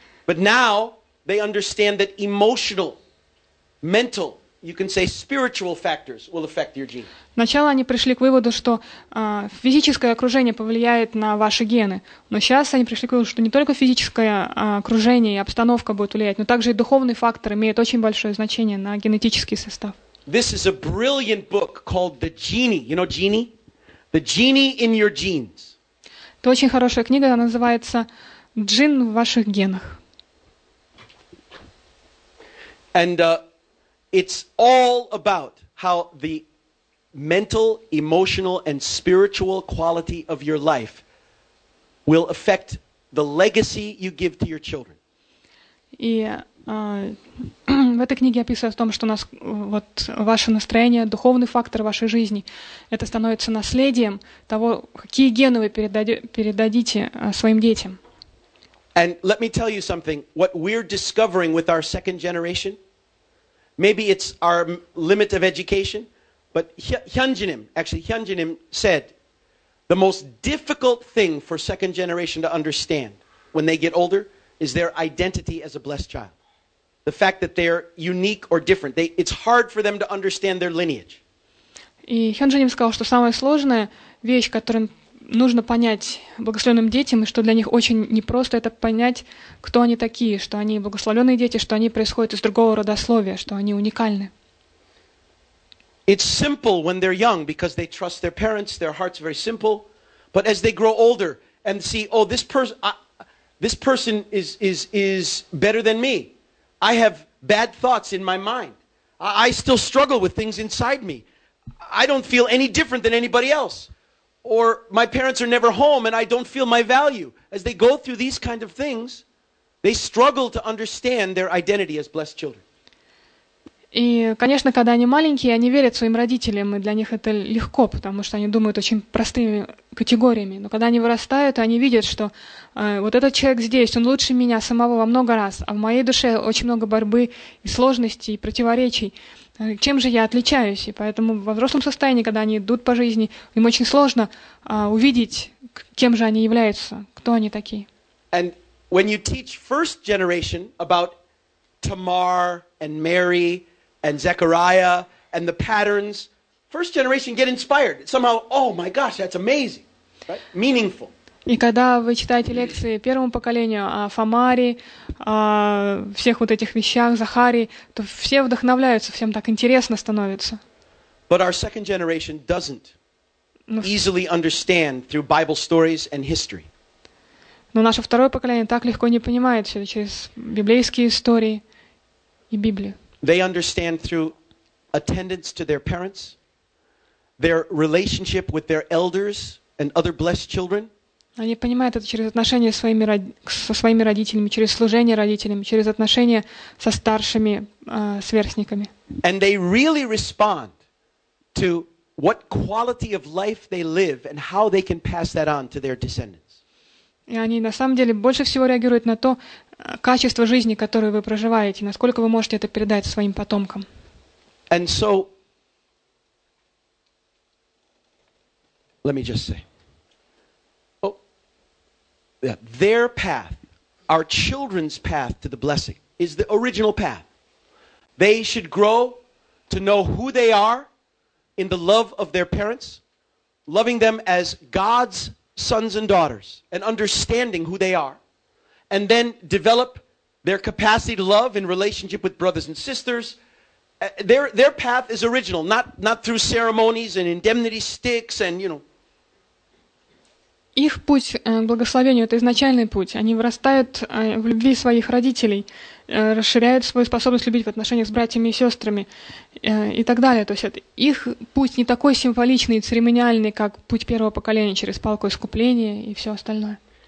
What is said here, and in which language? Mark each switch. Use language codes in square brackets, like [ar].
[en] But now they understand that emotional, mental, you can say spiritual factors will affect your genes. [ru] Сначала они пришли к выводу, что физическое окружение повлияет на ваши гены. Но сейчас они пришли к выводу, что не только физическое окружение и обстановка будет влиять, но также и духовный фактор имеет очень большое значение на генетический состав. [en] This is a brilliant book called The Genie. You know Genie? The Genie in Your Genes. [ru] Это очень хорошая книга, она называется «Джин в ваших генах». [en] And it's all about how the mental, emotional, and spiritual quality of your life will affect the legacy you give to your children. [ru] В этой книге описывается о том, что у нас вот ваше настроение, духовный фактор вашей жизни, это становится наследием того, какие гены вы передадите своим детям. [en] And let me tell you something, what we're discovering with our second generation, maybe it's our limit of education, but Hyunjinim said, the most difficult thing for second generation to understand when they get older is their identity as a blessed child. The fact that they are unique or different. It's hard for them to understand their lineage. [ru] И Хёнджиним сказал, что самая сложная вещь, которую нужно понять благословенным детям, и что для них очень непросто, это понять, кто они такие, что они благословенные дети, что они происходят из другого родословия, что они уникальны. [en] It's simple when they're young because they trust their parents, their heart's very simple. But as they grow older and see, oh, this person is better than me. I have bad thoughts in my mind. I still struggle with things inside me. I don't feel any different than anybody else. Or my parents are never home and I don't feel my value. As they go through these kind of things, they struggle to understand their identity as blessed children. [ru] И, конечно, когда они маленькие, они верят своим родителям, и для них это легко, потому что они думают очень простыми категориями. Но когда они вырастают, они видят, что вот этот человек здесь, он лучше меня самого во много раз, а в моей душе очень много борьбы и сложностей, и противоречий. Чем же я отличаюсь? И поэтому во взрослом состоянии, когда они идут по жизни, им очень сложно увидеть, кем же они являются, кто они такие. [en] And when you teach first generation about Tamar and Mary and Zechariah and the patterns, first generation get inspired. Somehow, oh my gosh, that's amazing, right? Meaningful. [ru] И когда вы читаете лекции первому поколению о Фомаре, о всех вот этих вещах, Захарии, то все вдохновляются, всем так интересно становится. [en] But our second generation doesn't easily understand through Bible stories and history. [ru] Но наше второе поколение так легко не понимает все через библейские истории и Библию. [en] They understand through attendance to their parents, their relationship with their elders and other blessed children. [ru] Они понимают это через отношения со своими родителями, через служение родителям, через отношения со старшими сверстниками. [en] And they really respond to what quality of life they live and how they can pass that on to their descendants. [ru] И они на самом деле больше всего реагируют на то качество жизни, которое вы проживаете, насколько вы можете это передать своим потомкам. [en] And so, let me just say, their path, our children's path to the blessing, is the original path. They should grow to know who they are in the love of their parents, loving them as God's sons and daughters, and understanding who they are, and then develop their capacity to love in relationship with brothers and sisters. Their path is original, not through ceremonies and indemnity sticks and, you know. [ru] Их путь к благословению — это изначальный путь. Они вырастают в любви своих родителей, расширяют свою способность любить в отношениях с братьями и сестрами и так далее. То есть это их путь не такой символичный и церемониальный, как путь первого поколения через палку искупления и все остальное.